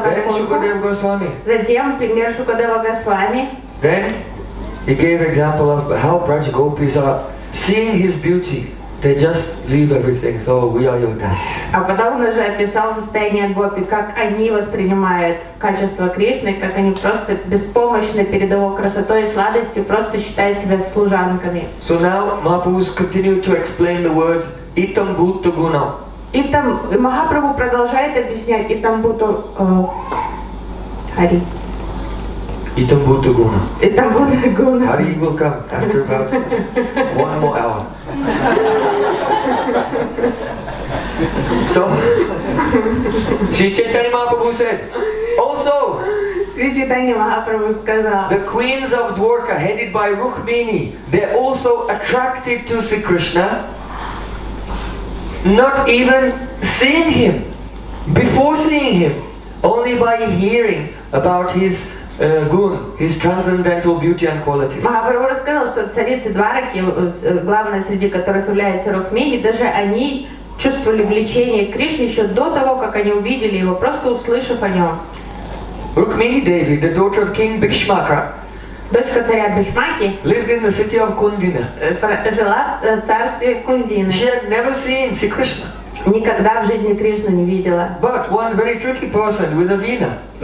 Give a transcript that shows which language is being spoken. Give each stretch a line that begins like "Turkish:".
Russian: Вайкунтху. Затем пример Шукадева Госвами.
English: Then he gave example of how Braj Gopis are seeing his beauty They just leave everything, so we are yogis.
Russian: А потом он уже описал состояние гопи, как они воспринимают качество Кришны, как они просто беспомощны перед его красотой и сладостью, просто считают себя служанками.
English: So now Mahaprabhu continues to explain the word itam bhuta guna.
Russian: И там Махапрабху продолжает объяснять итам бхута хари. Итам бхута гуна. Итам бхута гуна.
English: Хари will come after about one more hour. So, Sri Chaitanya Mahaprabhu said, also,
Russian: Sri Chaitanya Mahaprabhu сказал,
English: the queens of Dwarka headed by Rukmini, they're also attracted to Sri Krishna. Not even seeing him, before seeing him, only by hearing about his gun, his transcendental beauty and qualities.
Russian: Махапрабху рассказал, что царицы Двараки, главная среди которых является Рукмини, даже они чувствовали влечение к Кришне еще до того, как они увидели его, просто услышав о нем.
English: Rukmini Devi, the daughter of King Bhishmaka,
Russian: дочка царя Бишмаки
English: lived in the city of Kundina.
Russian: Жила в царстве Кундина.
English: She had never seen Sri Krishna.
Russian: Никогда в жизни Кришну не видела.
English: But one very tricky person with a vina.